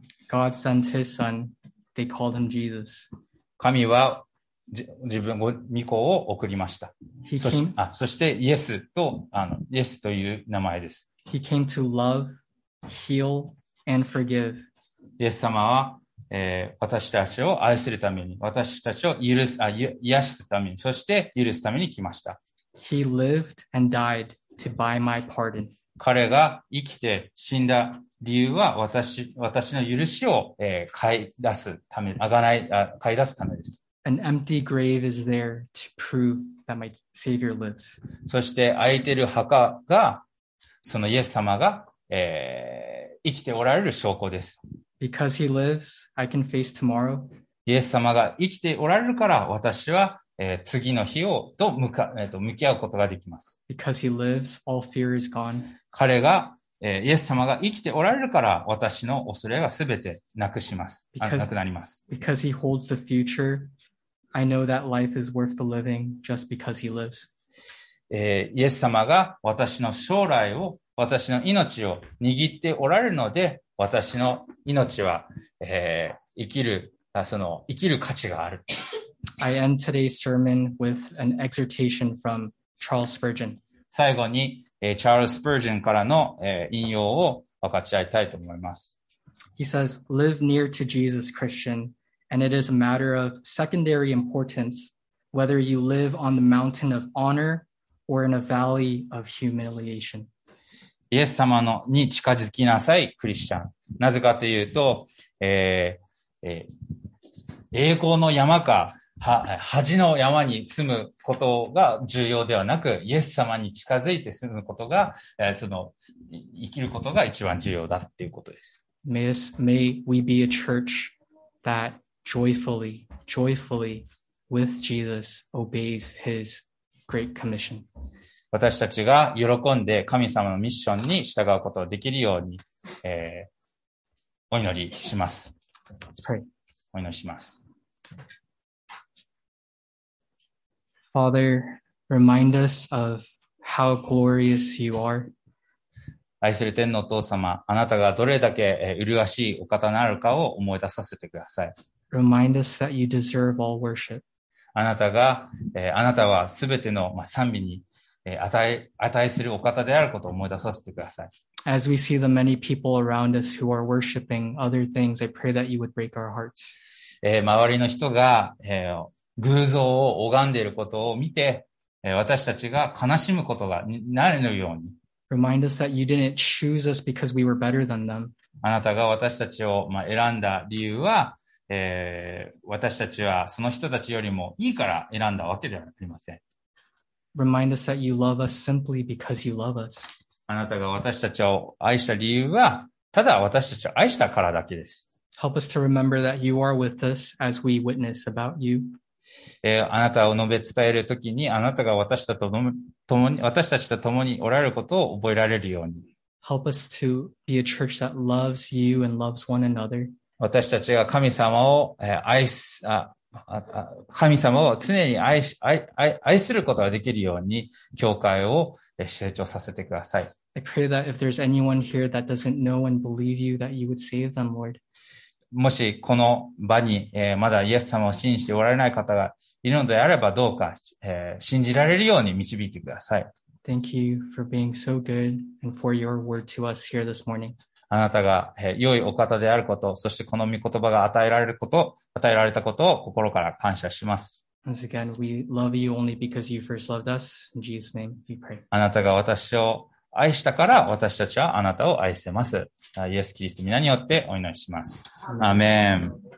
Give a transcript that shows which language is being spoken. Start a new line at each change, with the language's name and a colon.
English: God sent his son, they called him Jesus.
Japanese: 神は自分を御子を送りました。そしてイエスとイエスという名前です。
English: He came to love, heal, and forgive.
Japanese: イエス様は、私たちを愛するために、私たちを癒すために、そして許すために来ました。
English: He lived and died to buy my pardon.
Japanese: 彼が生きて死んだ理由は私の許しを、買い出すためです。
English: An empty grave is there to prove that my Savior lives.
Japanese: そして空いてる墓がそのイエス様が、生きておられる証拠です。
English: Because he lives, I can face tomorrow.
Japanese: イエス様が生きておられるから私は、次の日をと向か、向き合うことができます。
English: Because he lives, all fear is gone.
Japanese: 彼が、イエス様が生きておられるから私の恐れがすべてなくします。なくなります。
English: Because he holds the future. I know that life is worth the living just because he lives.
Japanese: イエス様が私の将来を、私の命を握っておられるので、私の命は、生きる価値がある。
English: I end today's sermon with an exhortation from Charles Spurgeon.
Japanese: 最後に、Charles Spurgeon からの、引用を分かち合いたいと思います。
English: He says, live near to Jesus, Christian. And it is a matter of secondary importance whether you live on the mountain of honor or in a valley of humiliation.
Japanese: イエス様のに近づきなさい、クリスチャン。なぜかというと、栄光の山か恥の山に住むことが重要ではなく、イエス様に近づいて住むことが、生きることが一番重要だっていうことです。
English: May we be a church thatjoyfully with Jesus obeys his great commission.
Japanese: 私たちが喜んで神様のミッションに従うことができるように、お祈りします。
English: Let's pray.
Japanese: お祈りします。
English: Father, remind us of how glorious you are.
Japanese: 愛する天のお父様、あなたがどれだけ麗しいお方なるかを思い出させてください。
English: Remind us that you deserve all worship.
Japanese: あなたが、あなたはすべての、まあ、賛美に、値するお方であることを思い出させてください。
English: As we see the many people around us who are worshiping other things, I pray that you would break our hearts.
Japanese: 周りの人が、偶像を拝んでいることを見て、私たちが悲しむことがなるように。
English: Remind us that you didn't choose us because we were better than them.
Japanese: あなたが私たちを、まあ、選んだ理由は、私たちはその人たちよりもいいから選んだわけではありません。
English: Remind us that you love us simply because you love us.
Japanese: あなたが私たちを愛した理由は、ただ私たちを愛したからだけです。
English: Help us to remember that you are with us as we witness about you.
Japanese: あなたを述べ伝えるときに、あなたが私たちと私たちと共におられることを覚えられるように。
English: Help us to be a church that loves you and loves one another.
Japanese: 私たちが神様を愛す、神様を常に愛することができるように教会を成長させてください。
English: I pray that if there's anyone here that doesn't know and believe you, that you would save them, Lord.
Japanese: もしこの場に、まだイエス様を信じておられない方がいるのであればどうか、信じられるように導いてください。
English: Thank you for being so good and for your word to us here this morning.
Japanese: あなたが良いお方であること、そしてこの御言葉が与えられること、与えられたことを心から感謝します。
English: Once again, we love you only because you first loved us. In Jesus' name, we pray.
Japanese: あなたが私を愛したから私たちはあなたを愛せます。イエス・キリスト皆によってお祈りします。アメン。